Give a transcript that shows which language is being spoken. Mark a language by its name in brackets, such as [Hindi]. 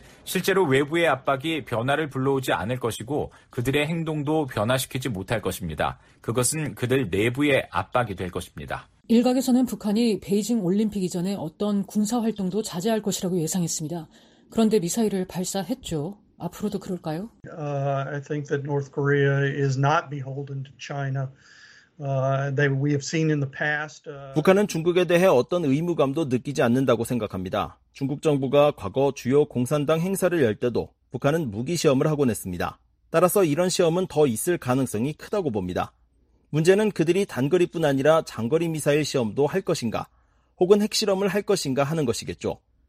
[Korean] 실제로 외부의 압박이 변화를 불러오지 않을 것이고 그들의 행동도 변화시키지 못할 것입니다. 그것은 그들 내부의 압박이 될 것입니다. 일각에서는 북한이 베이징 올림픽 이전에 어떤 군사활동도 자제할 것이라고 예상했습니다. 그런데 미사일을 발사했죠. 앞으로도 그럴까요? [English] I think that North Korea is not beholden to China. We have seen in the past. [Korean] 북한은 중국에 대해 어떤 의무감도 느끼지 않는다고 생각합니다. 중국 정부가 과거 주요 공산당 행사를 열 때도 북한은 무기 시험을 하고 냈습니다. 따라서 이런 시험은 더 있을 가능성이 크다고 봅니다. 문제는 그들이 단거리뿐 아니라 장거리 미사일 시험도 할 것인가, 혹은 핵실험을 할 것인가 하는 것이겠죠.